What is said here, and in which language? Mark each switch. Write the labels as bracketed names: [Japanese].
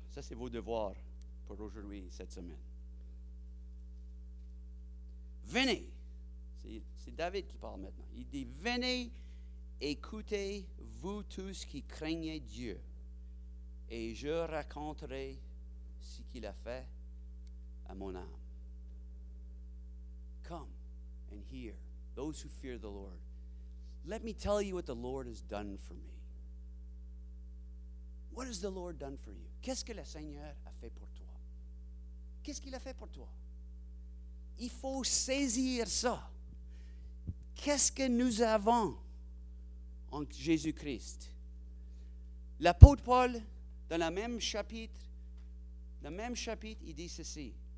[French] Ça, c'est vos devoirs pour aujourd'hui, cette semaine. Venez, c'est David qui parle maintenant. Il dit, venez, écoutez, vous tous qui craignez Dieu, et je raconterai ce qu'il a fait à mon âme. [English] Come and hear, those who fear the Lord. Let me tell you what the Lord has done for me. What has the Lord done for you? [French] Qu'est-ce que le Seigneur a fait pour toi? Qu'est-ce qu'il a fait pour toi? Il faut saisir ça. Qu'est-ce que nous avons en Jésus-Christ? L'apôtre Paul, dans le même chapitre, il dit ceci.